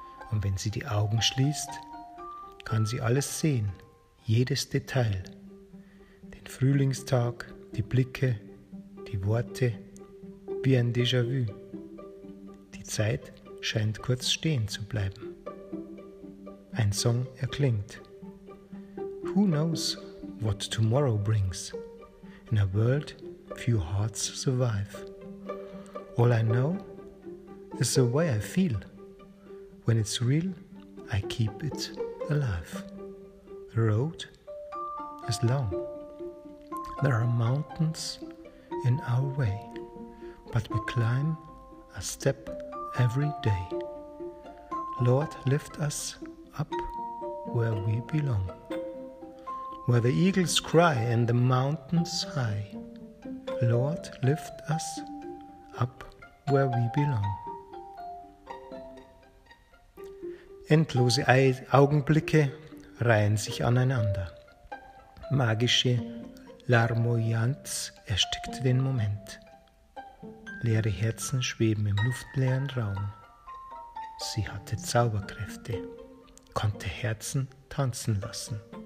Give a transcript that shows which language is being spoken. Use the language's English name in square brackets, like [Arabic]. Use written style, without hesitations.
[German] Und wenn sie die Augen schließt, kann sie alles sehen, jedes Detail. Den Frühlingstag, die Blicke, die Worte, wie ein Déjà-vu. Die Zeit scheint kurz stehen zu bleiben. Ein Song erklingt. [English] Who knows what tomorrow brings? In a world few hearts survive. All I know is the way I feel. When it's real, I keep it alive. The road is long. There are mountains in our way, but we climb a step every day. Lord, lift us up where we belong, where the eagles cry and the mountains high. Lord, lift us up where we belong. [German] Endlose Augenblicke reihen sich aneinander. Magische Larmoyanz erstickt den Moment. Leere Herzen schweben im luftleeren Raum. Sie hatte Zauberkräfte, konnte Herzen tanzen lassen.